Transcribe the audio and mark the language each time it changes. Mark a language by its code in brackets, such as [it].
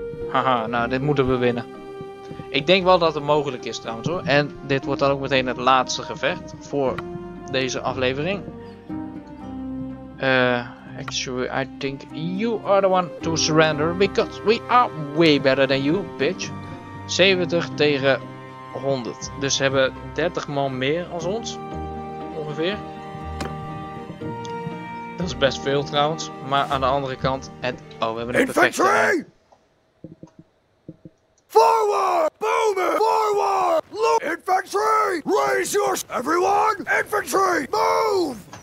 [nl] Haha, nou dit moeten we winnen. Ik denk wel dat het mogelijk is trouwens hoor. En dit wordt dan ook meteen het laatste gevecht voor deze aflevering. [en] Actually, I think you are the one to surrender, because we are way better than you, bitch. [nl] 70 tegen 100. Dus ze hebben 30 man meer als ons, ongeveer. Dat is best veel trouwens, maar aan de andere kant... En, oh, we hebben een perfecte... [en] Infantry! Forward! Boomer! Forward! Look! Infantry! Raise your... Everyone! Infantry! Move!